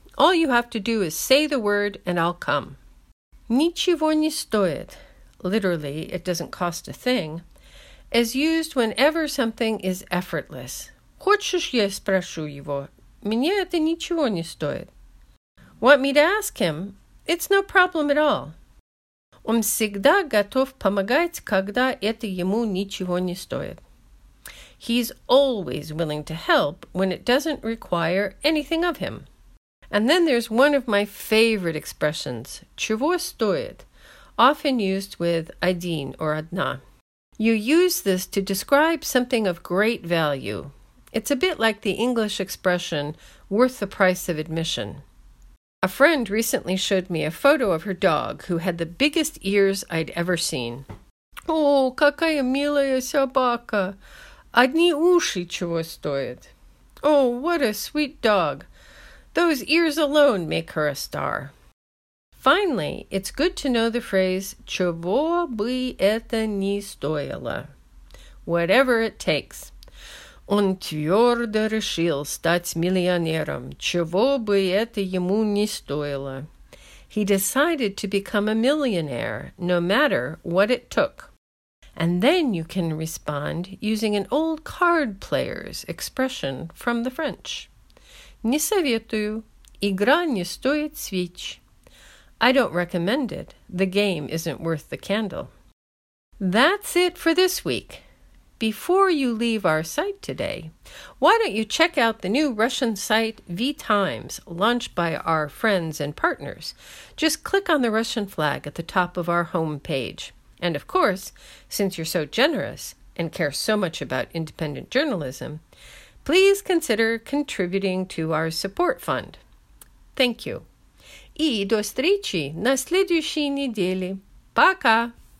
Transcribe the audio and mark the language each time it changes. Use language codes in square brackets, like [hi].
[en] All you have to do is say the word and I'll come. [ru] «Ничего не стоит», [en] literally, it doesn't cost a thing, is used whenever something is effortless. [ru] «Хочешь, я спрошу его? Мне это ничего не стоит». [en] Want me to ask him? It's no problem at all. [ru] Он всегда готов помогать, когда это ему ничего не стоит. [en] He's always willing to help when it doesn't require anything of him. And then there's one of my favorite expressions, [ru] чего стоит, [en] often used with один or одна. You use this to describe something of great value. It's a bit like the English expression, worth the price of admission. A friend recently showed me a photo of her dog who had the biggest ears I'd ever seen. [ru] Oh, какая милая собака! Одни уши чего стоят! [en] Oh, what a sweet dog! Those ears alone make her a star. Finally, it's good to know the phrase [ru] чего бы это ни стоило. [en] Whatever it takes. [ru] Он твердо решил стать миллионером, чего бы это ему не стоило. [en] He decided to become a millionaire, no matter what it took. And then you can respond using an old card player's expression from the French. [ru] Не советую. Игра не стоит свеч. [en] I don't recommend it. The game isn't worth the candle. That's it for this week. Before you leave our site today, why don't you check out the new Russian site VTimes, launched by our friends and partners. Just click on the Russian flag at the top of our homepage. And of course, since you're so generous and care so much about independent journalism, please consider contributing to our support fund. Thank you. [ru] И до встречи на следующей неделе. Пока!